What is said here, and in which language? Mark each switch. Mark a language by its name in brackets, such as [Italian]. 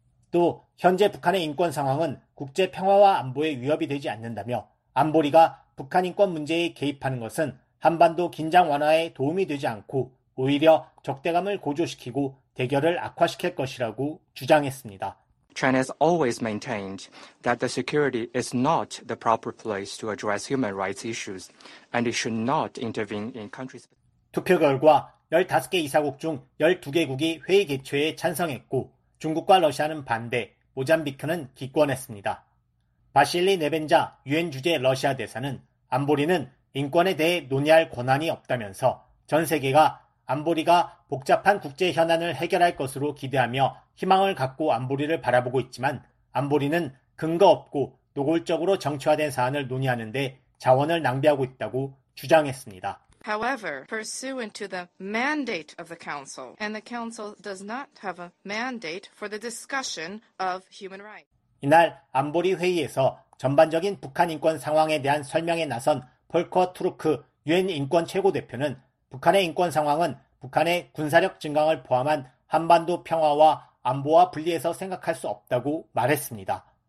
[Korean] 또 현재 북한의 인권 상황은 국제 평화와 안보에 위협이 되지 않는다며 안보리가 북한 인권 문제에 개입하는 것은 한반도 긴장 완화에 도움이 되지 않고 오히려 적대감을 고조시키고 대결을 악화시킬 것이라고 주장했습니다. [English] China has always maintained that the security is not the proper place to address human rights issues and it should not intervene in countries. [Korean] 투표 결과 15개 이사국 중 12개국이 회의 개최에 찬성했고 중국과 러시아는 반대, 모잠비크는 기권했습니다. 바실리 네벤자 유엔 주재 러시아 대사는 안보리는 인권에 대해 논의할 권한이 없다면서 전 세계가 안보리가 복잡한 국제 현안을 해결할 것으로 기대하며 희망을 갖고 안보리를 바라보고 있지만 안보리는 근거 없고 노골적으로 정치화된 사안을 논의하는데 자원을 낭비하고 있다고 주장했습니다. [English] However, pursuant to the mandate of the Council, and the Council does not have a mandate for the discussion of human rights. [Korean] 이날 안보리 회의에서 전반적인 북한 인권 상황에 대한 설명에 나선 폴커 트루크 유엔 인권 최고 대표는 북한의 인권 상황은 북한의 군사력 증강을 포함한 한반도 평화와 안보와 분리해서 생각할 수 없다고 말했습니다.